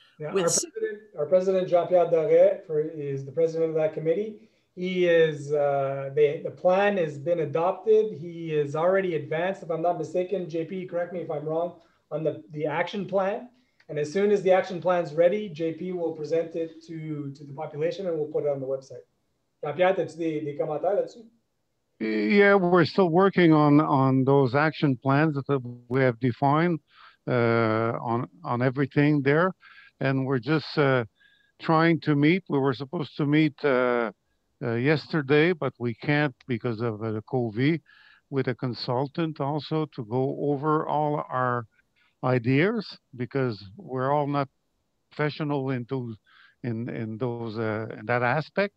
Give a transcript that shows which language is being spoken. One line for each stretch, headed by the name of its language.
English: Yeah, our president, Jean-Pierre Doret, is the president of that committee. He is, the plan has been adopted. He is already advanced, if I'm not mistaken, JP, correct me if I'm wrong, on the action plan. And as soon as the action plan's ready, JP will present it to the population and we'll put it on the website.
French: Jean-Pierre, as-tu des commentaires là-dessus?
English: Yeah, we're still working on those action plans that we have defined on everything there. And we're just trying to meet. We were supposed to meet yesterday, but we can't because of the COVID, with a consultant also to go over all our ideas, because we're all not professional in that aspect.